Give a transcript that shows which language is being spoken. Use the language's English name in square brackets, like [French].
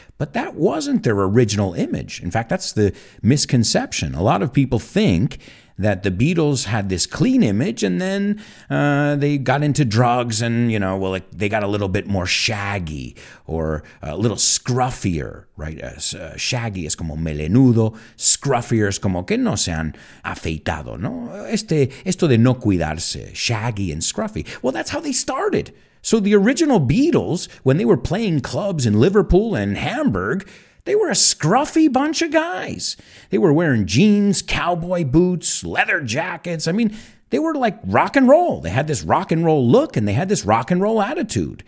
[English] But that wasn't their original image. In fact, that's the misconception. A lot of people think that the Beatles had this clean image, and then they got into drugs and, you know, well, like they got a little bit more shaggy or a little scruffier, right? [Spanish] Shaggy es como melenudo, scruffier es como que no se han afeitado, ¿no? Esto de no cuidarse, [English] shaggy and scruffy. Well, that's how they started. So the original Beatles, when they were playing clubs in Liverpool and Hamburg, they were a scruffy bunch of guys. They were wearing jeans, cowboy boots, leather jackets. I mean, they were like rock and roll. They had this rock and roll look and they had this rock and roll attitude.